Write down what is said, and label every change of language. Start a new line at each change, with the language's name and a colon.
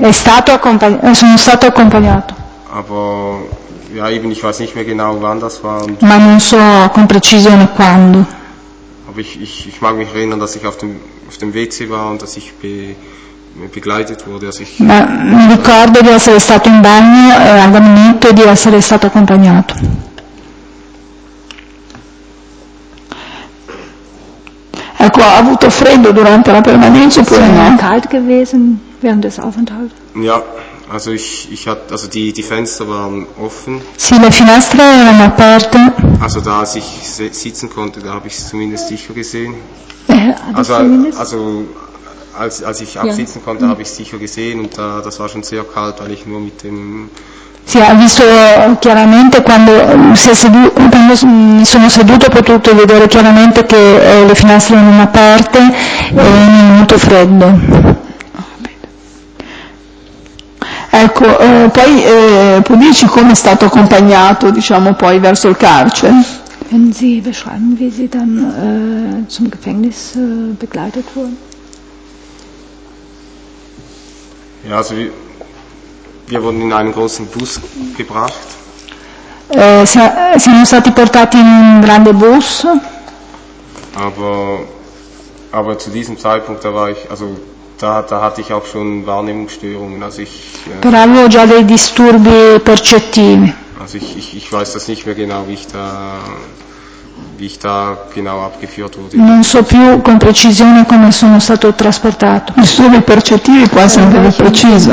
Italian: è stato sono stato accompagnato.
German: Aber, ja, eben, ich weiß nicht mehr genau wann das war und
Italian: ma non so con precisione quando.
German: Aber ich mag mich erinnern, dass ich auf dem WC war und dass ich begleitet wurde, dass ich
Italian: ma mi ricordo di essere stato in bagno e al momento di essere stato accompagnato. Ecco, ha avuto freddo durante la permanenza oppure no?
German: Sono kalt gewesen während des Aufenthalts. Ja, also ich hatte, also die Fenster waren offen.
Italian: Sì, le finestre erano aperte.
German: Also da als ich sitzen konnte, da habe ich es zumindest sicher gesehen. Als ich absitzen konnte, habe ich es sicher gesehen und das war schon sehr kalt, weil ich nur mit dem.
Italian: Sì, ha visto chiaramente quando mi sono seduto, ho potuto vedere chiaramente che le finestre erano aperte e è molto freddo. Ecco, poi può dirci come è stato accompagnato, diciamo, poi verso il carcere?
German: Können Sie beschreiben, wie Sie dann zum Gefängnis begleitet wurden? Ja, also wir wurden in einen großen Bus gebracht.
Italian: Siamo stati portati in un grande bus.
German: Aber zu diesem Zeitpunkt da war ich, also da hatte ich auch schon Wahrnehmungsstörungen, also ich.
Italian: Però avevo già dei disturbi percettivi.
German: Also ich weiß das nicht mehr genau, wie ich da genau abgeführt wurde.
Italian: Non so più con precisione come sono stato trasportato. Disturbi percettivi può essere più preciso.